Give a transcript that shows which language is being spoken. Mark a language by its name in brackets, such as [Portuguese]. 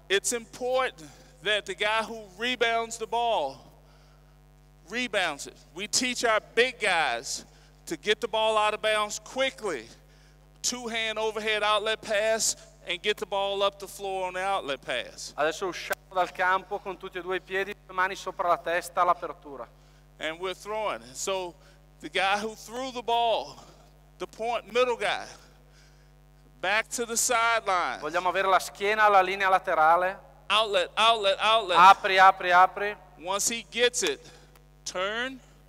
[English] it's important that the guy who rebounds the ball rebounds it. We teach our big guys to get the ball out of bounds quickly. Two-hand overhead outlet pass, and get the ball up the floor on the outlet pass. [Italian] Adesso usciamo dal campo con tutti e due i piedi, le mani sopra la testa all'apertura. [English] And we're throwing. So the guy who threw the ball, the point middle guy, back to the sideline. [Italian] Vogliamo avere la schiena alla linea laterale. [English] Outlet, outlet, outlet. [Italian] Apri, apri, apri. [English] Once he gets it, turn.